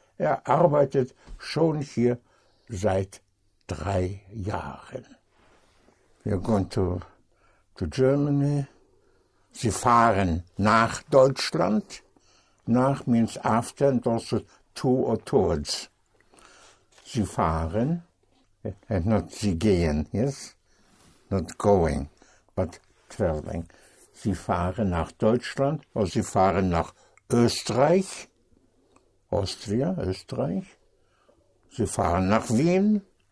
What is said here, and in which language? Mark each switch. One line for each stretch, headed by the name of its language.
German: Er arbeitet schon hier seit 3 Jahren.
English: We are going to Germany.
German: Sie fahren nach Deutschland.
English: Nach means after and also to or towards.
German: Sie fahren
English: and not
German: sie gehen, yes?
English: Not going, but traveling.
German: Sie fahren nach Deutschland or sie fahren nach Österreich. Austria, Österreich. Sie fahren nach Wien.